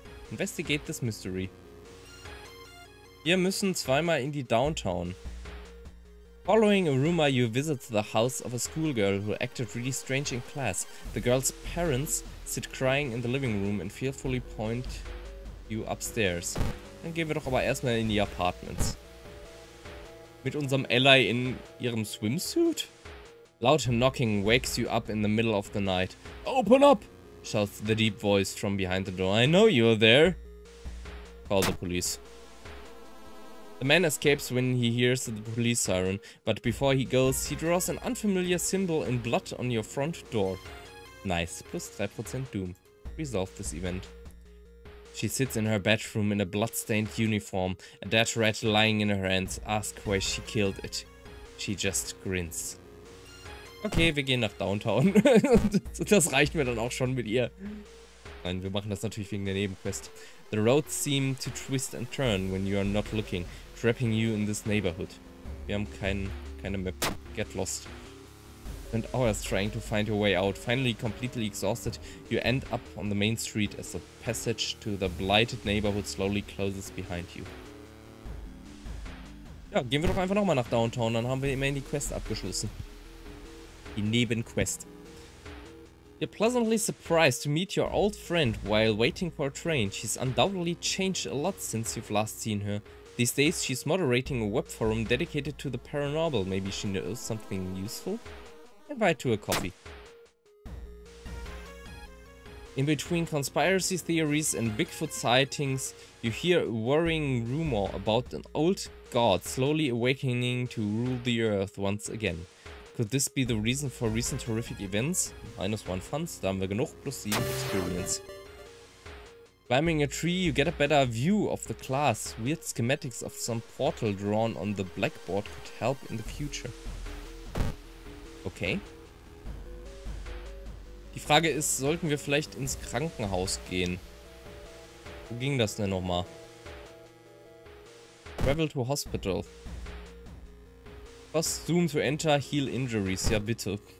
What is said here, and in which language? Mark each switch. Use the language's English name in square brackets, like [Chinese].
[English] Investigate this mystery. [German] Wir müssen zweimal in die Downtown. [English] Following a rumor, you visit the house of a schoolgirl who acted really strange in class. The girl's parents sit crying in the living room and fearfully point you upstairs. [German] Dann gehen wir doch aber erstmal in die Apartments. Mit unserem Ally in ihrem Swimsuit? [English] Loud knocking wakes you up in the middle of the night. Open up! Shouts the deep voice from behind the door. I know you're there. Call the police. The man escapes when he hears the police siren, but before he goes, he draws an unfamiliar symbol in blood on your front door. Nice, plus 3% doom. Resolve this event. She sits in her bedroom in a blood-stained uniform, a dead rat lying in her hands. Ask why she killed it. She just grins. [German] Okay, wir gehen nach Downtown. Das reicht mir dann auch schon mit ihr. Nein, wir machen das natürlich wegen der Nebenquest. [English] The roads seem to twist and turn when you are not looking, trapping you in this neighborhood. [German] Wir haben keine Map. [English] Get lost. Spend hours trying to find your way out. Finally, completely exhausted, you end up on the main street as the passage to the blighted neighborhood slowly closes behind you. [German] Ja, gehen wir doch einfach nochmal nach Downtown, dann haben wir immerhin die Quest abgeschlossen. Die Nebenquest. [English] You're pleasantly surprised to meet your old friend while waiting for a train. She's undoubtedly changed a lot since you've last seen her. These days she's moderating a web forum dedicated to the paranormal. Maybe she knows something useful? Invite to a coffee. In between conspiracy theories and Bigfoot sightings, you hear a worrying rumor about an old god slowly awakening to rule the earth once again. Could this be the reason for recent horrific events? Minus one funds, [German] da haben wir genug, [English] plus 7 experience. Climbing a tree, you get a better view of the class. Weird schematics of some portal drawn on the blackboard could help in the future. Okay. [German] Die Frage ist, sollten wir vielleicht ins Krankenhaus gehen? Wo ging das denn nochmal? [English] Travel to hospital. Press Zoom to enter heal injuries. [German] Ja, bitte.